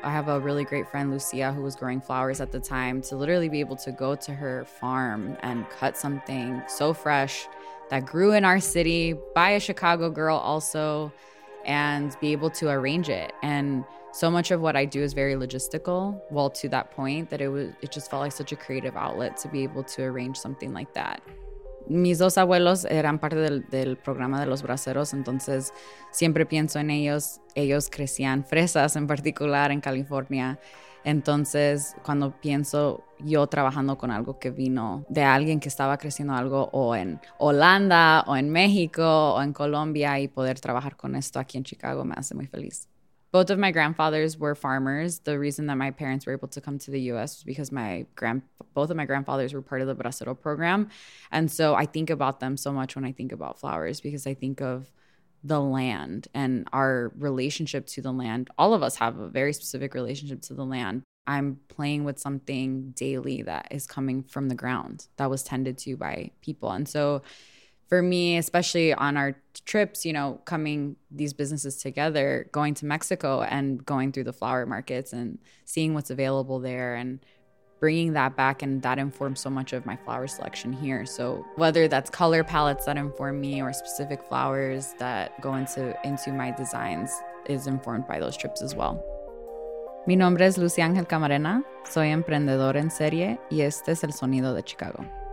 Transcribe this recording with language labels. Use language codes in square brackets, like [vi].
[en] I have a really great friend, Lucia, who was growing flowers at the time, to literally be able to go to her farm and cut something so fresh that grew in our city by a Chicago girl also, and be able to arrange it. And so much of what I do is very logistical. Well, to that point, that it just felt like such a creative outlet to be able to arrange something like that. [es] Mis dos abuelos eran parte del programa de los braceros, entonces siempre pienso en ellos. Ellos crecían fresas en particular en California. Entonces, cuando pienso yo trabajando con algo que vino de alguien que estaba creciendo algo o en Holanda o en México o en Colombia y poder trabajar con esto aquí en Chicago me hace muy feliz. [en] Both of my grandfathers were farmers. The reason that my parents were able to come to the U.S. was because both of my grandfathers were part of the Bracero program. And so I think about them so much when I think about flowers, because I think of the land and our relationship to the land. All of us have a very specific relationship to the land. I'm playing with something daily that is coming from the ground that was tended to by people. And so for me, especially on our trips, you know, coming these businesses together, going to Mexico and going through the flower markets and seeing what's available there and bringing that back, and that informs so much of my flower selection here. So whether that's color palettes that inform me or specific flowers that go into my designs is informed by those trips as well. [es] Mi nombre es Lucy Ángel Camarena. Soy emprendedor en serie y este es el sonido de Chicago.